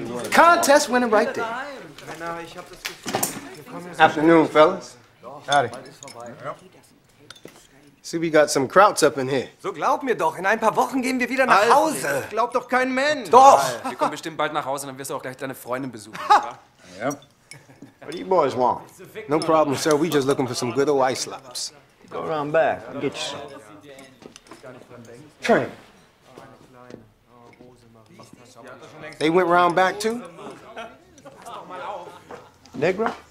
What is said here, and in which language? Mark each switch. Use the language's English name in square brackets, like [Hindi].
[English] Contest winner right there. Afternoon, fellas. Howdy. See, we got some krauts up in here. [German] So glaub mir doch, in ein paar Wochen gehen wir wieder nach Hause. Glaub doch kein Mensch. Doch. Wir kommen bestimmt bald nach Hause, dann wirst du auch gleich deine Freundin besuchen. [English] Ja. What do you boys want? No problem, sir. We just looking for some good old ice lobs. Go around back and get you some. Train. They went round back too? Negro?